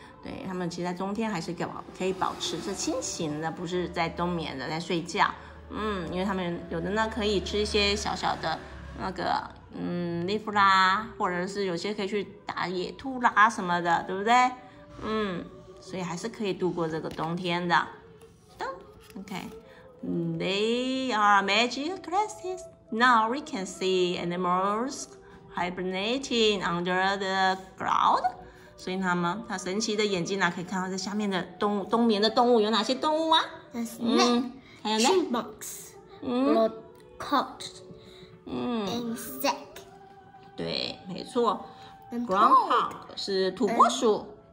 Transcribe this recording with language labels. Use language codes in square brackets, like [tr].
[zh] 对，他们其实在冬天还是可以保持着清醒的，不是在冬眠的，在睡觉。因为他们有的呢可以吃一些小小的那个leaf 啦，或者是有些可以去打野兔啦什么的，对不对？所以还是可以度过这个冬天的。 [en] OK, they are magic glasses. Now we can see animals hibernating under the ground. [zh] 所以他神奇的眼睛呢，可以看到在下面的冬眠的动物有哪些动物啊？ [en] Snake, chipmunks, woodcocks, insect. [zh] 对，没错。Groundhog 是土拨鼠。